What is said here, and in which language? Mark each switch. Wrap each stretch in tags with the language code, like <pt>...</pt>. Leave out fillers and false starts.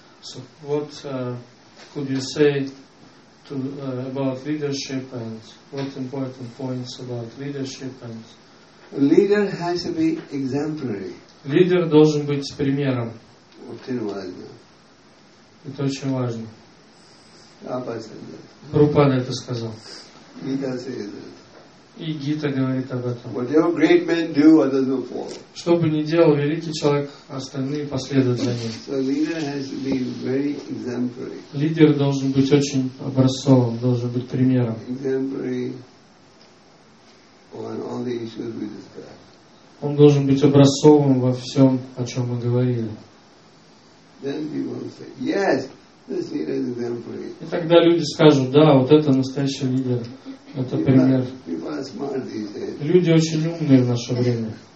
<en>So what could you say to about leadership and what important points about leadership? And a leader has to be exemplary.</en> <ru>Лидер должен быть примером. Очень важно. Это очень важно. Абсолютно. Прабхупада это сказал.</ru> <en>Leader says that.</en> <ru>И Гита говорит об этом.</ru> <en>Whatever great men do, others will follow.</en> <ru>Что бы ни делал великий человек, остальные последуют за ним.</ru> <en>So leader has to be very exemplary.</en> <ru>Лидер должен быть очень образцовым, должен быть примером.</ru> <en>Exemplary on all the issues we discussed.</en> <ru>Он должен быть образцовым во всем, о чем мы говорили.</ru> <en>Then people say, yes, this leader is exemplary.</en> <ru>И тогда люди скажут, да, вот это настоящий лидер. Это пример. Люди очень умные в наше время.</ru>